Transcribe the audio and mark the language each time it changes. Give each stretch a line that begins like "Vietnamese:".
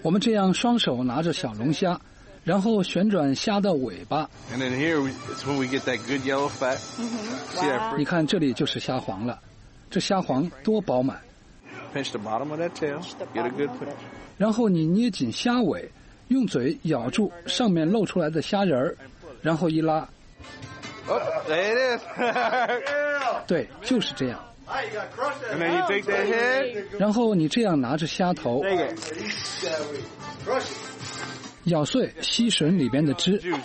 Chinese: 我们这样双手拿着小龙虾，然后旋转虾的尾巴。
English: And then here, it's when we get that good yellow fat. Mm-hmm. Wow.
Chinese: 你看，这里就是虾黄了。这虾黄多饱满。
English: Pinch the bottom of that tail, get a good pinch.
Chinese: 然后你捏紧虾尾，用嘴咬住上面露出来的虾仁儿，然后一拉。
English: Oh, there it is.
Chinese: 对，就是这样。
English: And then you take that head.
Chinese: 然后你这样拿着虾头，咬碎吸吮里边的汁。